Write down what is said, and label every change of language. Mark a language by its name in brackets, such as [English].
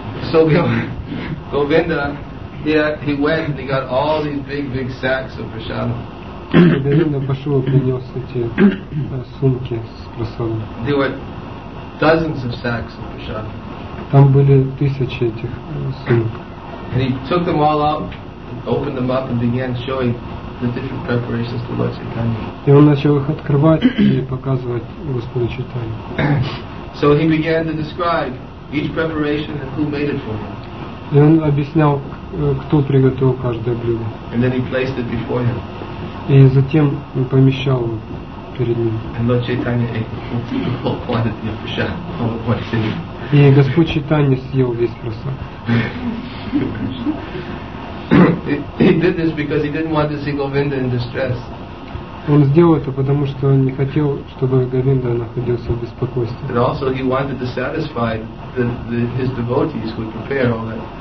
[English] So Govinda, he went and he got all these big sacks of prasadam. [Russian] Говинда пошел и принес эти сумки с прасадом. [English] There were dozens of sacks of prasadam. [Russian] Там были тысячи этих сумок. [English] And he took them all out, opened them up and began showing the different preparations to Lord Chaitanya. [Russian] И он начал их открывать и показывать Господу Чайтанье. [English] So he began to describe each preparation and who made it for him. [Russian] И он объяснял, кто приготовил каждое блюдо. [English] And then he placed it before him. [Russian] И затем он помещал перед ним. [English] And Lord Chaitanya ate the whole quantity of prasadam, all the quantity. [Russian] И Господь Чайтанья съел весь просад. [English] He did this because he didn't want to see Govinda in distress. [Russian] Он сделал это, потому что он не хотел, чтобы Говинда находился в беспокойстве. [English] And also he wanted to satisfy his devotees who prepare all that.